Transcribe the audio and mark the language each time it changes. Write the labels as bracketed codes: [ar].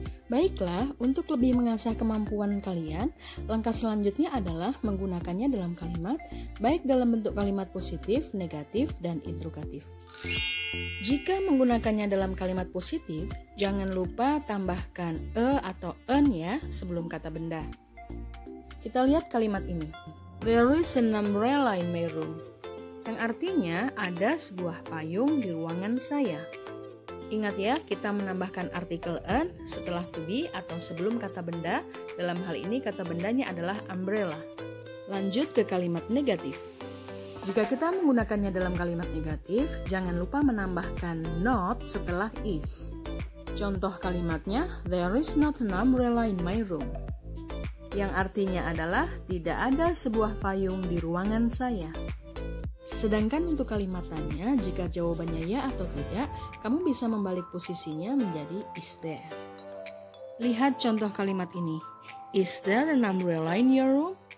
[id] Baiklah, untuk lebih mengasah kemampuan kalian, langkah selanjutnya adalah menggunakannya dalam kalimat, baik dalam bentuk kalimat positif, negatif, dan interrogatif. Jika menggunakannya dalam kalimat positif, jangan lupa tambahkan a atau an ya sebelum kata benda. Kita lihat kalimat ini. [en] There is an umbrella in my room. [id] Yang artinya ada sebuah payung di ruangan saya. Ingat ya, kita menambahkan artikel an setelah to be atau sebelum kata benda. Dalam hal ini kata bendanya adalah umbrella. Lanjut ke kalimat negatif. Jika kita menggunakannya dalam kalimat negatif, jangan lupa menambahkan not setelah is. Contoh kalimatnya, [en] there is not an umbrella in my room. [id] Yang artinya adalah, tidak ada sebuah payung di ruangan saya. Sedangkan untuk kalimatannya, jika jawabannya ya atau tidak, kamu bisa membalik posisinya menjadi is there. Lihat contoh kalimat ini. [en] Is there an umbrella in your room?